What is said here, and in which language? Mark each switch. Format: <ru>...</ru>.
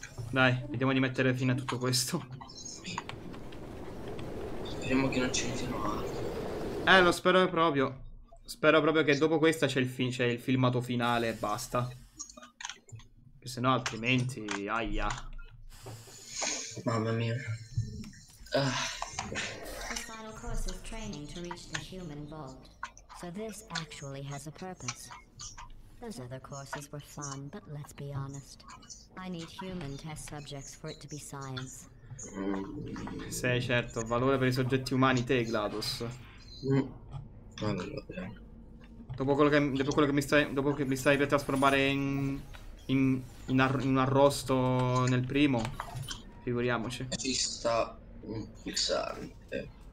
<it>Dai, vediamo di mettere fine a tutto questo. Speriamo che non ce ne siano altri. Lo spero proprio. Spero proprio che dopo questa c'è il filmato finale e basta. Che se no, altrimenti, aia. Mamma mia.</it> <en>This final course is training to reach the human vault. So this actually has a purpose. Those other courses were fun, but let's be honest. I need human test subjects for it to be science.</en> <it>Sei certo, valore per i soggetti umani, te, GLaDOS. Allora. Dopo quello che mi stai per trasformare in in arrosto nel primo. Figuriamoci. Ci sta un pulsante.</it>